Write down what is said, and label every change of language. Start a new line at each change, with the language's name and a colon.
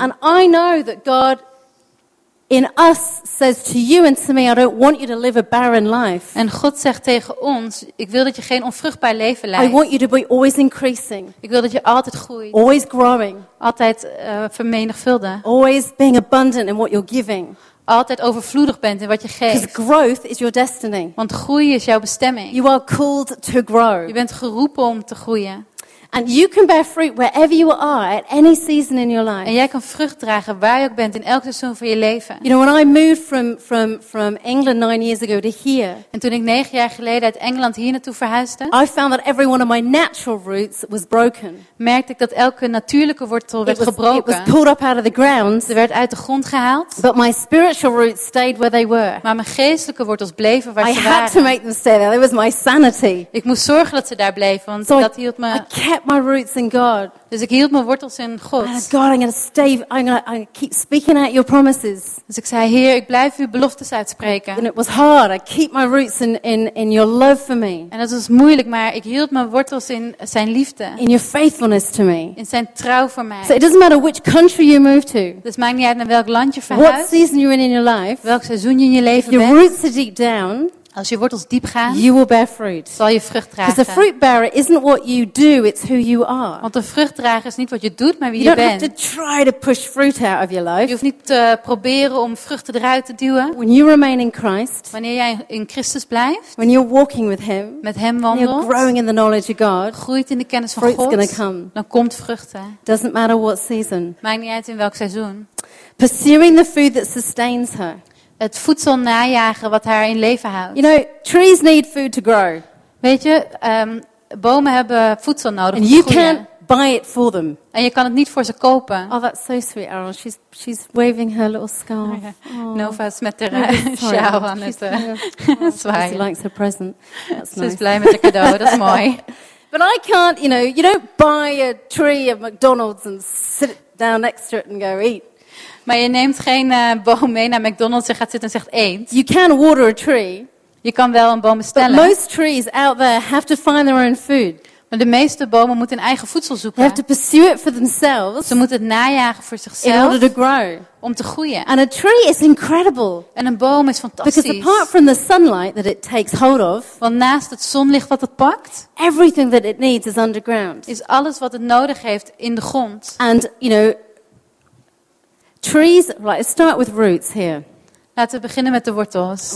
English: And I know that God in us says to you and to me, I don't want you to live a barren life.
Dutch: En God zegt tegen ons, ik wil dat je geen onvruchtbaar leven leidt.
English: I want you to be always increasing.
Dutch: Ik wil dat je altijd groeit.
English: Always growing.
Dutch: Altijd vermenigvuldigd.
English: Always being abundant in what you're giving.
Dutch: Altijd overvloedig bent in wat je geeft.
English: Because growth is your destiny.
Dutch: Want groei is jouw bestemming.
English: You are called to grow.
Dutch: Je bent geroepen om te groeien.
English: And you can bear fruit wherever you are at any season in your life.
Dutch: En jij kan vrucht dragen waar je ook bent in elk seizoen van je leven.
English: You know, when I moved from England 9 years ago to here.
Dutch: En toen ik 9 jaar geleden uit Engeland hier naartoe verhuisde.
English: I found that every one of my natural roots was broken.
Dutch: Merkte ik dat elke natuurlijke wortel werd gebroken.
English: It was pulled up out of the ground.
Dutch: Ze werd uit de grond gehaald.
English: But my spiritual roots stayed where they were.
Dutch: Maar mijn geestelijke wortels bleven waar
English: I
Dutch: ze waren.
English: I had to make them stay there. It was my sanity.
Dutch: Ik moest zorgen dat ze daar bleven, want
English: so
Dutch: dat hield me.
English: My roots in God.
Dutch: Dus ik hield mijn wortels in God.
English: God, I'm gonna keep speaking out your promises.
Dutch: Dus ik zei, Heer, ik blijf uw beloftes uitspreken.
English: And it was hard. I keep my roots in your love for me.
Dutch: En dat was moeilijk, maar ik hield mijn wortels in zijn liefde.
English: In your faithfulness to me.
Dutch: In zijn trouw voor mij.
English: So it doesn't matter which country you move to.
Dutch: Dus maakt niet uit naar welk land je verhuist.
English: What season you're in your life.
Dutch: Welk seizoen je in je leven
English: your
Dutch: bent.
English: Your roots are deep down.
Dutch: Als je wortels diep gaan,
English: you will bear fruit.
Dutch: Zal je vrucht dragen.
English: Because the fruit bearer isn't what you do, it's who you are.
Dutch: Want de vruchtdrager is niet wat je doet, maar wie
English: you
Dutch: je bent.
English: You don't have to try to push fruit out of your life.
Dutch: Je hoeft niet te proberen om vruchten eruit te duwen.
English: When you remain in Christ,
Dutch: wanneer jij in Christus blijft,
English: when you're walking with Him,
Dutch: met Hem wandelt,
English: you're growing in the knowledge of God,
Dutch: groeit in de kennis van
English: fruit's
Dutch: God,
English: gonna come.
Dutch: Dan komt vruchten.
English: Doesn't matter what season.
Dutch: Maakt niet uit in welk seizoen.
English: Pursuing the food that sustains her.
Dutch: Het voedsel najagen wat haar in leven houdt.
English: You know, trees need food to grow.
Dutch: Weet je, bomen hebben voedsel nodig.
English: And you can't buy it for them.
Dutch: En je kan het niet voor ze kopen.
English: Oh, that's so sweet, Errol. She's waving her little scarf. Oh, yeah.
Dutch: Nova's met haar sjaal aan het zwaaien.
English: She likes her present. That's nice.
Dutch: Ze is blij met haar cadeau. Dat is mooi.
English: But I can't, you know, you don't buy a tree at McDonald's and sit down next to it and go eat.
Dutch: Maar je neemt geen boom mee naar McDonald's en gaat zitten en zegt eet.
English: You can water a tree.
Dutch: Je kan wel een boom bestellen.
English: But most trees out there have to find their own food.
Dutch: Maar de meeste bomen moeten hun eigen voedsel zoeken.
English: They have to pursue it for themselves.
Dutch: Ze moeten het najagen voor zichzelf.
English: In order to grow.
Dutch: Om te groeien.
English: And a tree is incredible.
Dutch: En een boom is fantastisch.
English: Because apart from the sunlight that it takes hold of.
Dutch: Want naast het zonlicht wat het pakt.
English: Everything that it needs is underground.
Dutch: Is alles wat het nodig heeft in de grond.
English: And you know. Trees, right, let's start with roots here.
Dutch: Laten we beginnen met de wortels.